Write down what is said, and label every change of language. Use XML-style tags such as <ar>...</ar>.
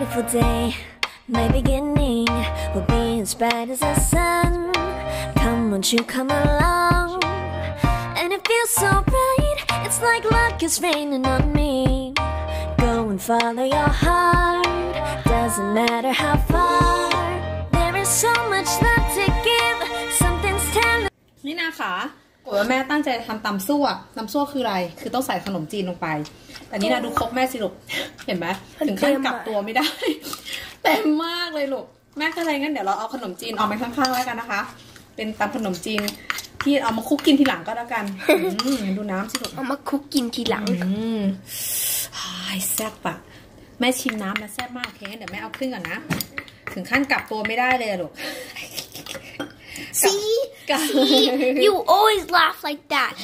<en>Day, my beginning will be as bright as the sun. Come, won't you come along? And it feels so bright. It's like luck is raining on me. Go and follow your heart. Doesn't matter how far. There is so much love to give. Something.</en> <th>นาขาปกติแม่ตั้งใจทำตำซั่วตำซั่วคืออะไรคือต้องใส่ขนมจีนลงไปแต่นี่นาดูครบแม่สิลูกเห็นไหมถึงขั้นกลับตัวไม่ได้เต็มมากเลยลูกแม่ก็เลยงั้นเดี๋ยวเราเอาขนมจีนออกมาข้างๆแล้วกันนะคะเป็นตำขนมจีนที่เอามาคุกกินทีหลังก็แล้วกันดูน้ำสิลูก เอามาคุกกินทีหลัง ไอ้แซ่บอะแม่ชิมน้ำนะแซ่บมากโอเคเดี๋ยวแม่เอาครึ่งก่อนนะถึงขั้นกลับตัวไม่ได้เลยลูก</th> <en>See, you always laugh like that.</en>